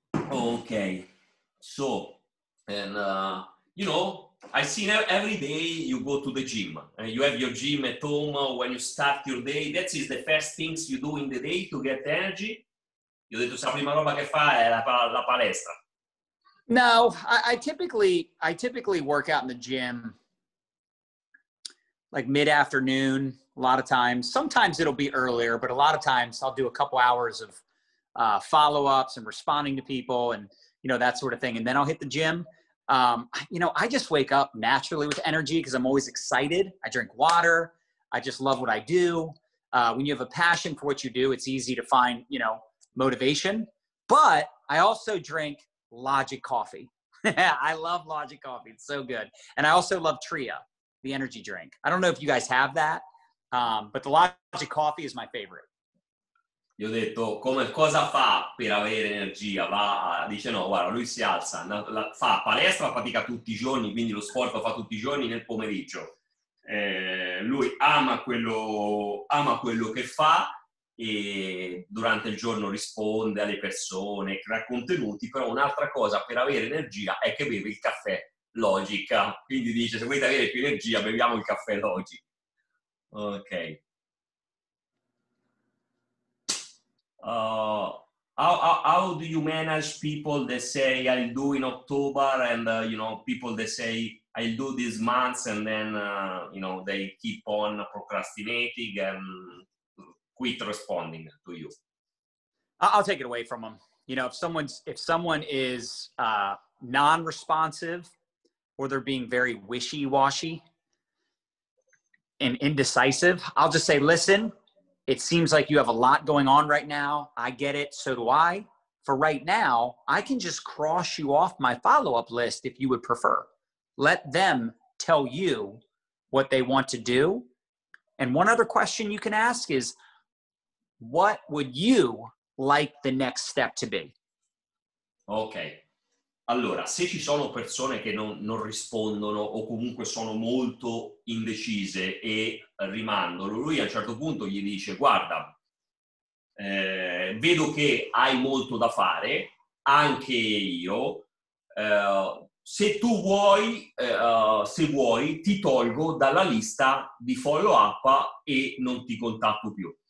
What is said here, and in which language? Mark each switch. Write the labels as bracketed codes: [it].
[en] Okay, so, and you know, I've seen every day you go to the gym. You have your gym at home when you start your day. That is the first things you do in the day to get energy. [it] Io ho detto, la prima roba che fa è la palestra. [en] No, I typically work out in the gym like mid-afternoon a lot of times. Sometimes it'll be earlier, but a lot of times I'll do a couple hours of follow-ups and responding to people and, you know, that sort of thing. And then I'll hit the gym. You know, I just wake up naturally with energy because I'm always excited. I drink water. I just love what I do. When you have a passion for what you do, it's easy to find, you know, motivation. But I also drink Logic coffee. I love Logic coffee. It's so good. And I also love Tria, the energy drink. I don't know if you guys have that, but the Logic coffee is my favorite. [it] Gli ho detto, come cosa fa per avere energia? Va, dice no, guarda, lui si alza, fa palestra, fatica tutti i giorni, quindi lo sport lo fa tutti i giorni nel pomeriggio. Lui ama quello che fa e durante il giorno risponde alle persone, crea contenuti, però un'altra cosa per avere energia è che beve il caffè Logic. Quindi dice, se volete avere più energia, beviamo il caffè Logic. Ok. [en] How do you manage people that say I'll do in October and you know, people that say I'll do this month and then you know, they keep on procrastinating and quit responding to you? I'll take it away from them. You know, if someone is non-responsive or they're being very wishy-washy and indecisive, I'll just say, listen, it seems like you have a lot going on right now. I get it. So do I. For right now, I can just cross you off my follow-up list if you would prefer. Let them tell you what they want to do. And one other question you can ask is, what would you like the next step to be? Okay. [it] Allora, se ci sono persone che non rispondono o comunque sono molto indecise e rimandano, lui a un certo punto gli dice, guarda, vedo che hai molto da fare, anche io, se tu vuoi, se vuoi, ti tolgo dalla lista di follow-up e non ti contatto più.